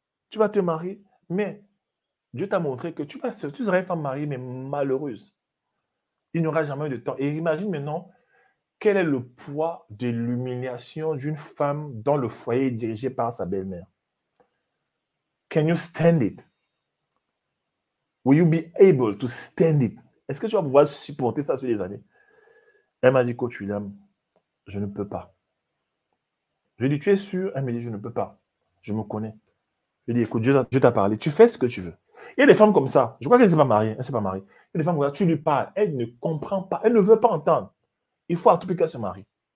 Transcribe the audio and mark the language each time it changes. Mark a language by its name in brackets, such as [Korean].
[French] Tu vas te marier. Mais Dieu t'a montré que tu serais une femme mariée, mais malheureuse. Il n'y aura jamais de temps. Et imagine maintenant, quel est le poids de l'humiliation d'une femme dans le foyer dirigé par sa belle-mère? [English] Can you stand it? Will you be able to stand it? [French] Est-ce que tu vas pouvoir supporter ça sur les années? Elle m'a dit, coach William, je ne peux pas. Je lui ai dit, tu es sûr? Elle me dit, je ne peux pas. Je me connais. Je dis, écoute, Dieu t'a parlé, tu fais ce que tu veux. Il y a des femmes comme ça, je crois qu'elle ne s'est pas mariée, Il y a des femmes comme ça, tu lui parles, elle ne comprend pas, elle ne veut pas entendre. Il faut à tout prix qu'elle se marie.